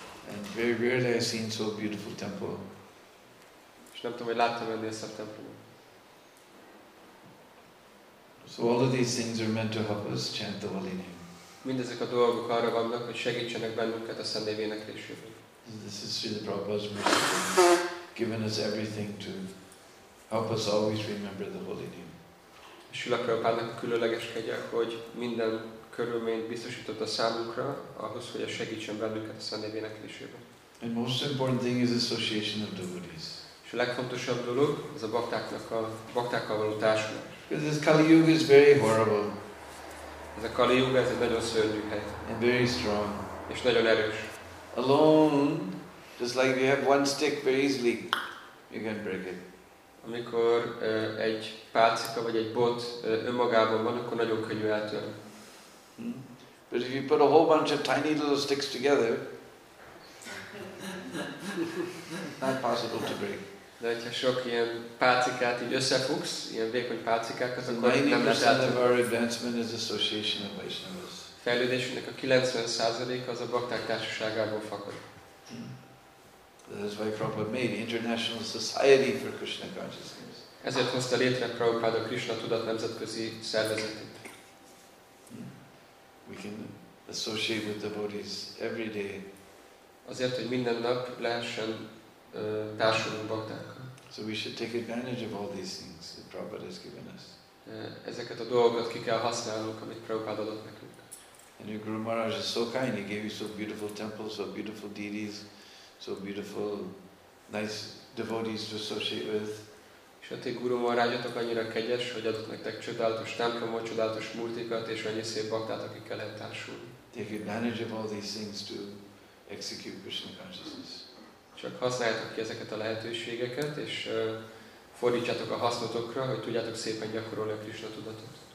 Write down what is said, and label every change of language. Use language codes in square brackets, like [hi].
[en] And very rarely I've seen so beautiful temple. [hu] És nem tudom, hogy láttam ennél szebb templomot. [en] So all of these things are meant to help us chant the Holy Name. [hu] Mindezek a dolgok arra vannak, hogy segítsenek bennünket a Szent Név éneklésében. [en] This is Srila Prabhupada's mercy, given us everything to help us always remember the Holy Name. [hu] Srila Prabhupádnak a különleges kegye, hogy minden körülményt biztosított a számunkra, ahhoz, hogy a segítsen bennünket a Szent Név éneklésében. [en] And most important thing is association of devotees. [hu] És a legfontosabb dolog, ez a baktákkal való társulás. [en] Because this Kali Yuga is very horrible. [hu] Ez a Kali Yuga, ez egy nagyon szörnyű hely. [en] And very strong. [hu] És nagyon erős. [en] Alone, just like you have one stick, very easily you can break it. [hu] Amikor egy pálcika vagy egy bot önmagában van, akkor nagyon könnyű eltörni. [en] But if you put a whole bunch of tiny little sticks together, not possible to break. [hu] De hogyha sok ilyen pálcikát így összefugsz, ilyen vékony pálcikákat, akkor nem lehet eltörni. [en] 90% of our advancement is association of Vaishnavas. [hu] Fejlődésünknek a 90% az a bakták társaságából fakad. [en] That is why Prabhupada made International Society for Krishna Consciousness. [hu] Ezért hozta létre Prabhupada Krishna Tudat nemzetközi szervezetét. [en] We can associate with devotees every day. [hu] Azért, hogy minden nap lehessen társulunk baktákkal. [en] So we should take advantage of all these things that Prabhupada has given us. [hu] Ezeket a dolgokat ki kell használnunk, amit Prabhupada adott nekünk. [en] And your Guru Maharaj is so kind, he gave you so beautiful temples, so beautiful deities, so beautiful nice devotees to associate with. [hu] És a ti gurumarányatok annyira kegyes, hogy adott nektek csodálatos templomot, csodálatos murtikat és annyi szép baktát, akikkel lehet társulni. [en] If you manage all these things to execute Krishna consciousness. [hu] Csak használjátok ki ezeket a lehetőségeket, és fordítsátok a hasznotokra, hogy tudjátok szépen gyakorolni a Krishna tudatot.